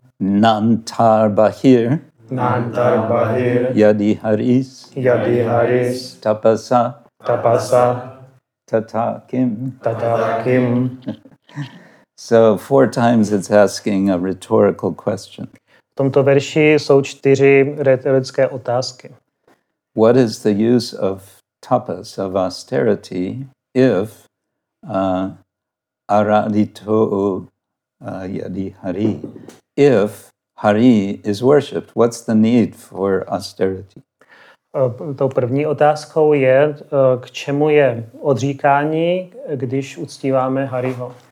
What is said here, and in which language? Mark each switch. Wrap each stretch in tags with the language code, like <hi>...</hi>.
<sa>Nantar bahir. Nantar bahir. Yadi haris. Yadi haris. Tapasa. Tapasa. Tata kim. Tata kim.</sa> <en>So four times it's asking a rhetorical question.</en> <cs>V tomto verši jsou čtyři retorické otázky.</cs> <en>What is the use of tapas, of austerity, if</en> <sa>Arādito yadi Hari.</sa> <en>If Hari is worshipped, what's the need for austerity?</en> <cs>Tou první otázkou je, k čemu je odříkání, když uctíváme Hariho.</cs>